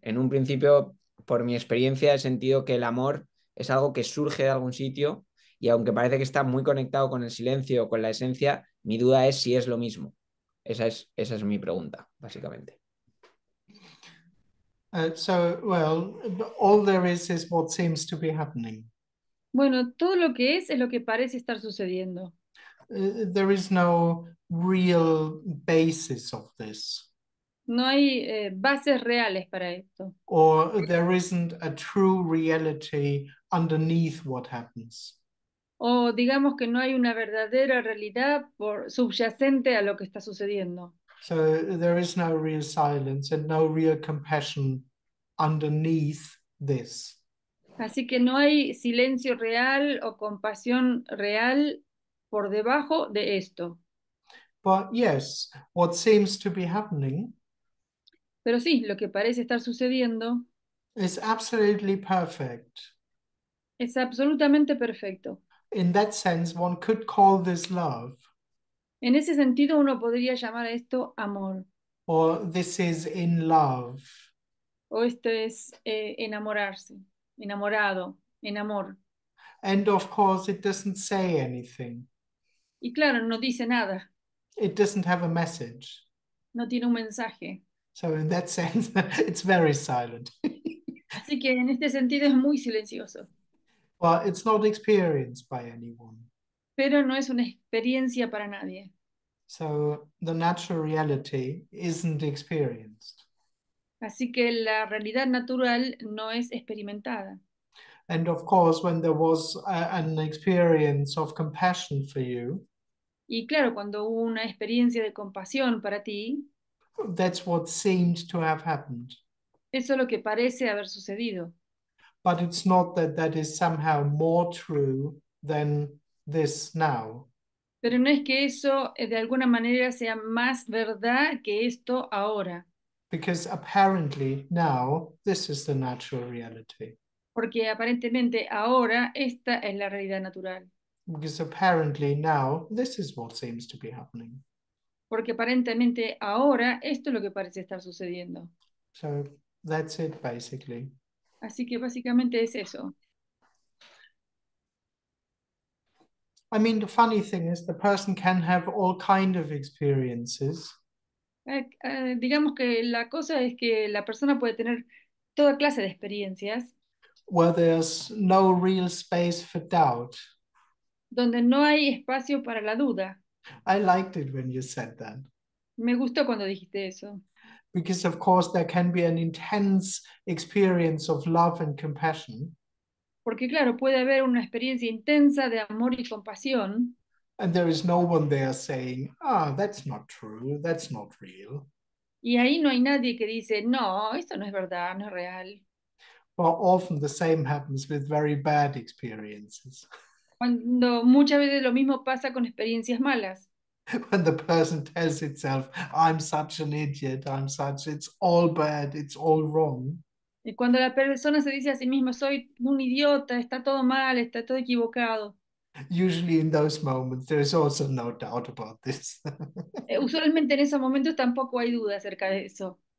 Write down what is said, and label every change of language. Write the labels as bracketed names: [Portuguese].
[Spanish] En un principio, por mi experiencia, he sentido que el amor es algo que surge de algún sitio. Y aunque parece que está muy conectado con el silencio o con la esencia, mi duda es si es lo mismo. Esa es mi pregunta, básicamente. [English] So, well, all there is what seems to be happening. [Spanish] Bueno, todo lo que es lo que parece estar sucediendo. [English] There is no real basis of this. [Spanish] No hay bases reales para esto. [English] Or there isn't a true reality underneath what happens. [Spanish] O digamos que no hay una verdadera realidad por subyacente a lo que está sucediendo. [English] So there is no real silence and no real compassion underneath this. [Spanish] Así que no hay silencio real o compasión real por debajo de esto. [English] But yes, what seems to be happening [Spanish] Pero sí, lo que parece estar sucediendo [English] is absolutely perfect. [Spanish] Es absolutamente perfecto. [English] In that sense, one could call this love. [Spanish] En ese sentido, uno podría llamar a esto amor. [English] Or this is in love. [Spanish] O esto es enamorarse, enamorado, en amor. [English] And of course, it doesn't say anything. [Spanish] Y claro, no dice nada. [English] It doesn't have a message. [Spanish] No tiene un mensaje. [English] So in that sense, it's very silent. [Spanish] Así que en este sentido es muy silencioso. [English] Well, it's not experienced by anyone. [Spanish] Pero no es una experiencia para nadie. [English] So the natural reality isn't experienced. [Spanish] Así que la realidad natural no es experimentada. [English] And of course, when there was an experience of compassion for you, [Spanish] y claro, cuando hubo una experiencia de compasión para ti, [English] that's what seemed to have happened. [Spanish] Eso es lo que parece haber sucedido. [English] But it's not that that is somehow more true than this now. [Spanish] Pero no es que eso de alguna manera sea más verdad que esto ahora. [English] Because apparently now this is the natural reality. [Spanish] Porque aparentemente ahora esta es la realidad natural. [English] Because apparently now this is what seems to be happening. [Spanish] Porque aparentemente ahora esto es lo que parece estar sucediendo. [English] So that's it basically. [Spanish] Así que básicamente es eso. [English] I mean, the funny thing is the person can have all kind of experiences. [Spanish] Digamos que la cosa es que la persona puede tener toda clase de experiencias. [English] Where there's no real space for doubt. [Spanish] Donde no hay espacio para la duda. [English] I liked it when you said that. [Spanish] Me gustó cuando dijiste eso. [English] Because of course there can be an intense experience of love and compassion. [Spanish] Porque claro, puede haber una experiencia intensa de amor y compasión. [English] And there is no one there saying, ah, oh, that's not true, that's not real. [Spanish] Y ahí no hay nadie que dice, no, esto no es verdad, no es real. [English] But often the same happens with very bad experiences. [Spanish] Cuando muchas veces lo mismo pasa con experiencias malas. [English] When the person tells itself, I'm such an idiot, I'm such, it's all bad, it's all wrong. [Spanish] Y cuando la persona se dice a sí misma, soy un idiota, está todo mal, está todo equivocado. [English] Usually in those moments, there is also no doubt about this. [Spanish] Usualmente en esos momentos tampoco hay duda acerca de eso.